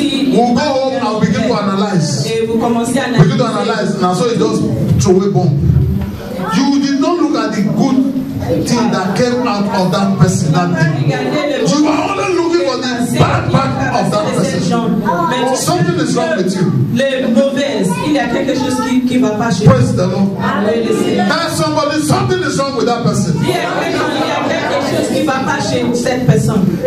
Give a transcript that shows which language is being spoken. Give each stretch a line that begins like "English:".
English: We'll go home and begin to analyze. Begin to analyze. Now, so it just throw a bomb. You did not look at the good thing that came out of that person that day. You are only looking for the bad part of that person. Something is wrong with you.
French: Le mauvais, il y a quelque chose qui va pas chez toi.
English: Praise the Lord. Tell somebody something is wrong with that person.
French: Il y a quelque chose qui va pas chez cette personne.